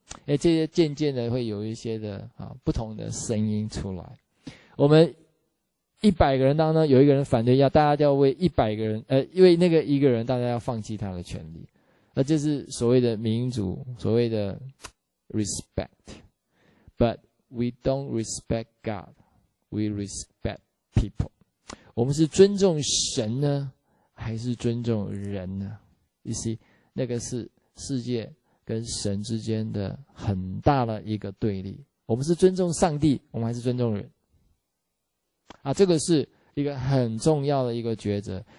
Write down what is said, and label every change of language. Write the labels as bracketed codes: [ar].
[zh] 这些渐渐的会有一些的、啊、不同的声音出来。我们100个人当中有一个人反对，要大家就要为100个人因为那个一个人大家要放弃他的权利，那就是所谓的民主，所谓的 respect。 [en] butWe don't respect God, we respect people. [zh] 我们是尊重神呢，还是尊重人呢？ [en] You see, [zh] 那个是世界跟神之间的很大的一个对立。我们是尊重上帝，我们还是尊重人？啊，这个是一个很重要的一个抉择。